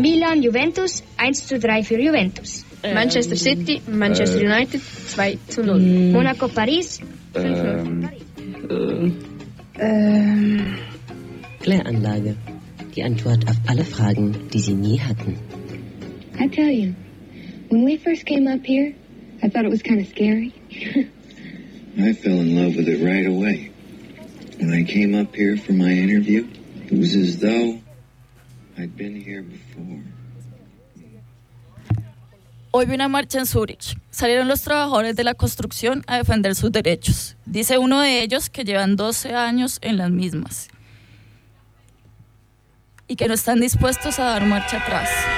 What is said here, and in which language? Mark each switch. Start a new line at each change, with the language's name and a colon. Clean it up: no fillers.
German: Milan, Juventus 1:3 für Juventus. Manchester City, Manchester United 2-0. Monaco, Paris 5-0. Kläranlage. Die Antwort auf alle Fragen, die sie nie hatten.
English: I tell you, when we first came up here, I thought it was kind of scary. I fell in love with it right away. When I came up here for my interview, it was as though I'd been here before.
Spanish: Hoy vi una marcha en Zurich. Salieron los trabajadores de la construcción a defender sus derechos. Dice uno de ellos que llevan 12 años en las mismas y que no están dispuestos a dar marcha atrás.